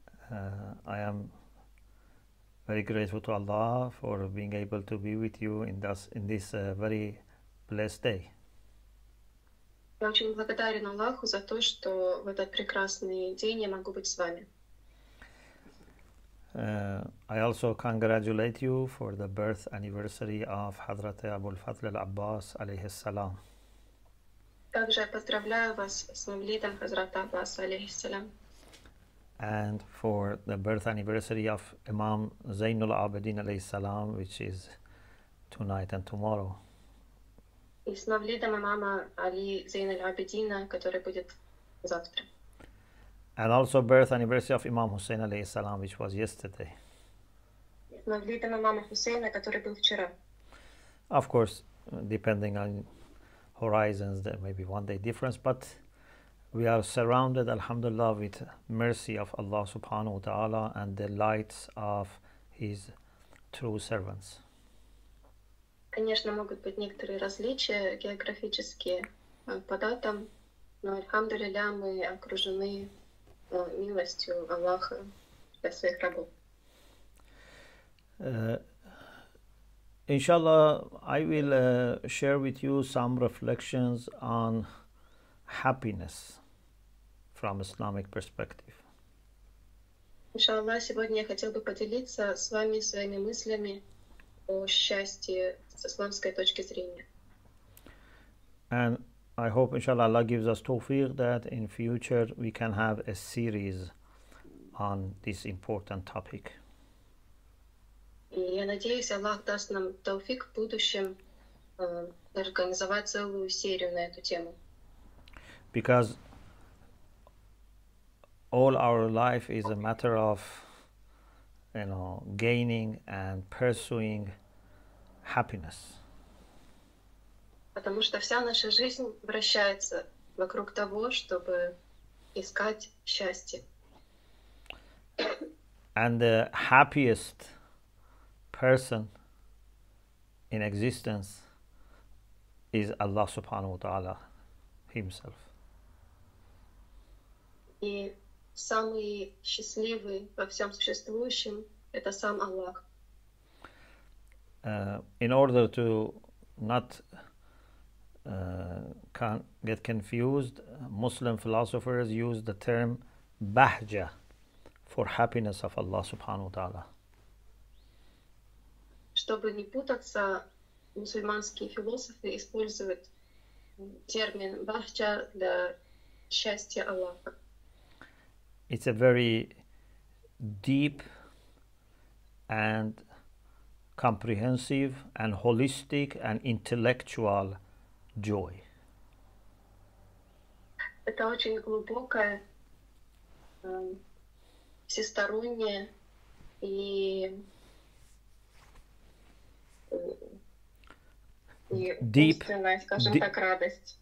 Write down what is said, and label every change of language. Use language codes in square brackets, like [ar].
[en] I am very grateful to Allah for being able to be with you in this very blessed day. [ru] Я очень благодарен Аллаху за то, что в этот прекрасный день я могу быть с вами. [en] I also congratulate you for the birth anniversary of Hazrat-e Abu'l-Fadl al-Abbas alayhi salam. [ru] Также я поздравляю вас с мавлидом Хазрата Аббас алейхи салям. [en] And for the birth anniversary of Imam Zainul Abidin alayhi salam, which is tonight and tomorrow. [ru] И с мавлидом имама Али Зейнуль Абидина, который будет завтра. [en] And also birth anniversary of Imam Husayn alayhi salam, which was yesterday. [ru] С мавлидом имама Хусейна, который был вчера. [en] Of course, depending on horizons, there may be one day difference, but we are surrounded, alhamdulillah, with mercy of Allah subhanahu wa ta'ala and the lights of His true servants. [ru] Конечно, могут быть некоторые различия географические по датам, но, alhamdulillah, мы окружены милостью Аллаха для своих рабов. [en] Inshallah, I will share with you some reflections on happiness from Islamic perspective. [ru] Иншаллах, сегодня я хотел бы поделиться с вами своими мыслями о счастье с исламской точки зрения. [en] And I hope inshallah Allah gives us tawfiq that in future we can have a series on this important topic. [ru] И я надеюсь, Аллах даст нам тавфик в будущем организовать целую серию на эту тему. [en] Because all our life is a matter of, you know, gaining and pursuing happiness. [ru] Потому что вся наша жизнь вращается вокруг того, чтобы искать счастье. [en] And the happiest person in existence is Allah subhanahu wa ta'ala himself. [ru] И самый счастливый во всем существующем — это сам Аллах. [en] In order to not get confused, Muslim philosophers use the term bahja for happiness of Allah subhanahu wa ta'ala. [ru] Чтобы не путаться, мусульманские философы используют термин bahja для счастья Аллаха. [en] It's a very deep and comprehensive and holistic and intellectual joy. [ru] Это очень глубокое, всестороннее и радость.